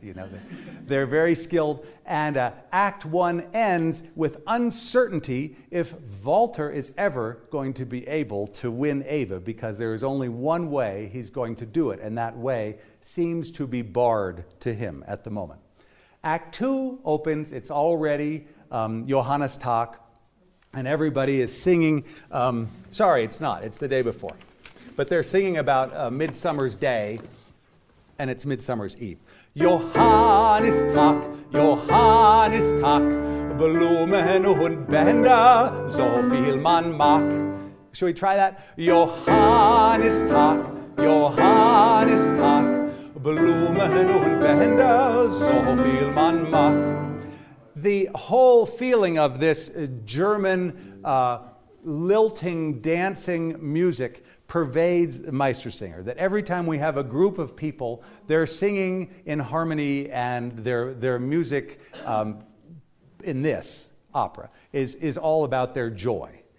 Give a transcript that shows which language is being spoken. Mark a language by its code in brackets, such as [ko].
[en] You know, they're very skilled. And Act One ends with uncertainty if Walter is ever going to be able to win Ava, because there is only one way he's going to do it, and that way seems to be barred to him at the moment. Act Two opens. It's already Johannes Tak. And everybody is singing, sorry, it's not, it's the day before. But they're singing about Midsummer's Day, and it's Midsummer's Eve. [de] Johannes Tak, Johannes Tak, Blumen und Bänder, so viel man mag. [en] Should we try that? [de] Johannes Tak, Johannes Tak, Blumen und Bänder, so viel man mag. [en] The whole feeling of this German lilting, dancing music pervades Meistersinger, that every time we have a group of people, they're singing in harmony, and their music in this opera is all about their joy.